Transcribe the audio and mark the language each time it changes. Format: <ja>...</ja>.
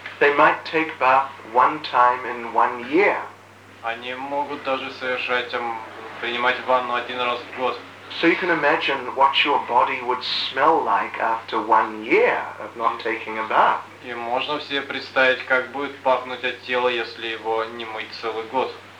<en>They might take bath one time in one year.</en> <ru>Они могут даже принимать ванну 1 раз в год.</ru> <en>So you can imagine what your body would smell like after 1 year of not taking a bath.</en> <ru>И можно себе представить, как будет пахнуть от тела, если его не мыть целый год.</ru>